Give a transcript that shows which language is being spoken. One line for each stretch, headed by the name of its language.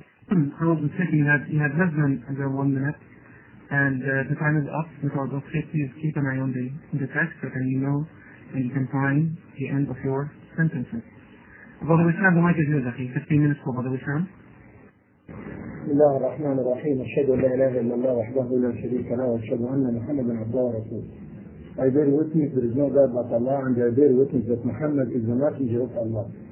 English: I was thinking that you had less than under 1 minute, and the time is up, so I'll just keep an eye on the text so that you know and you can find the end of your sentences. Brother Wissam, the mic is yours, Akhi. 15 minutes for Brother Wissam.
Arabic: الله الرحمن الرحيم أشهد أن لا إله إلا الله وحده لا شريك له وأشهد أن محمدا عبده ورسوله.
English: I bear witness there is no God but Allah, and I bear witness that Muhammad is the messenger of Allah.